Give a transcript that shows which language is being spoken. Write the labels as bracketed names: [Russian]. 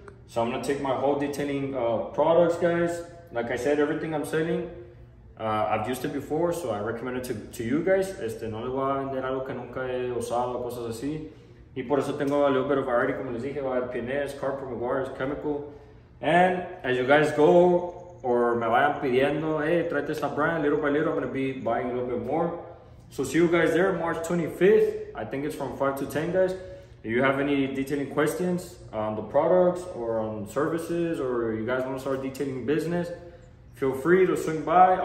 [English] So I'm gonna take my whole detailing products guys. Like I said, everything I'm selling, I've used it before, so I recommend it to you guys. [Spanish] No le voy a vender algo que nunca he usado, cosas así. Y por eso tengo [English] a little bit of variety, [Spanish] como les dije, va a haber P&S, CarPro, Meguiar's, Chemical. [English] And as you guys go, or [Spanish] me vayan pidiendo, [English] hey, [Spanish] tráete esta [English] brand, little by little, I'm gonna be buying a little bit more. So see you guys there, March 25th. I think it's from 5 to 10, guys. If you have any detailing questions on the products or on services, or you guys want to start detailing business, feel free to swing by.